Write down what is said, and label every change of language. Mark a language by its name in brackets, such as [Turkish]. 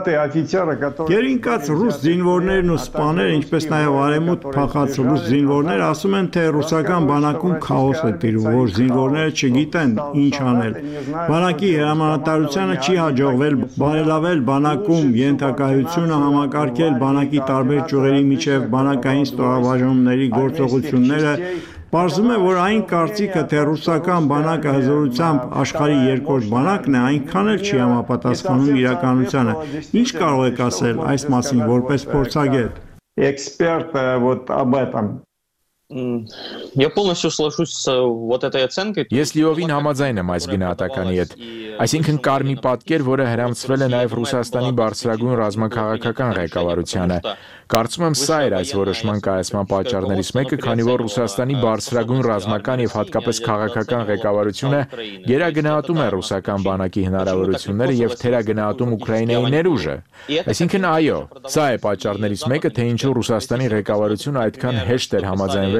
[Armenian] Երինկած ռուս զինվորներն ու սպաները, ինչպես նաեւ արեմուտ փախած ռուս զինվորներ ասում են, թե ռուսական բանակում քաոս է տիրում, որ զինվորները չգիտեն ինչ անել։ Բանակի հրամանատարությունը չի հաջողվել բարելավել բանակում ենթակայությունը համակարգել, բանակի տարբեր ճյուղերի միջև բանակային ստորաբաժանումների գործողությունները։ Պարզվում է, որ այն կարծիքը, թե ռուսական բանակը հզորությամբ աշխարհի երկրորդ բանակն է, այնքան էլ չի համապատասխանում իրականությանը։ Ինչ կարող եք ասել այս մասին որպես փորձագետ, [Russian] էքսպերտ об этом? Я полностью соглашусь с вот этой оценкой. Если [Armenian] вовин համաձայնեմ այս գնահատականի հետ, այսինքն կար մի պատկեր, որը հրամցվել է նաև Ռուսաստանի բարձրագույն ռազմաքաղաքական ղեկավարությանը, կարծում եմ սա էր այս որոշման կայացման պատճառներից մեկը, քանի որ Ռուսաստանի բարձրագույն ռազմական եւ հատկապես քաղաքական ղեկավարությունը գերագնահատում է ռուսական բանակի հնարավորությունները եւ թերագնահատում Ուկրաինայի ներուժը, այսինքն այո, սա է պատճառներից մեկը, թե ինչու Ռուսաստանի ղեկավարությունը այդքան հեշտ էր համաձայնվել